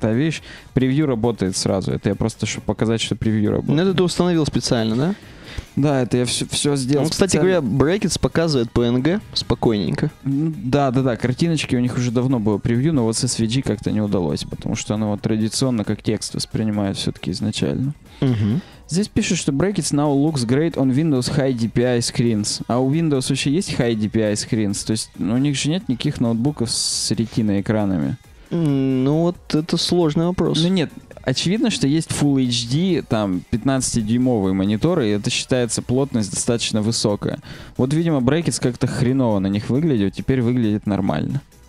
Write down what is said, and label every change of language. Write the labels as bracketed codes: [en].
[ru] Да, видишь, превью работает сразу. Это я просто, чтобы показать, что превью работает. Ну, это ты установил специально, да? Да, это я все сделал. Ну, кстати говоря, Brackets показывает PNG спокойненько. Да. Картиночки у них уже давно было превью, но вот с SVG как-то не удалось, потому что оно вот традиционно как текст воспринимает все-таки изначально. Здесь пишут, что [en] Brackets now looks great on Windows high DPI screens. [ru] А у Windows вообще есть high DPI screens? То есть у них же нет никаких ноутбуков с ретиноэкранами. Ну вот это сложный вопрос. Ну нет, очевидно, что есть Full HD, там 15-дюймовые мониторы, и это считается плотность достаточно высокая. Вот, видимо, Brackets как-то хреново на них выглядит, теперь выглядит нормально.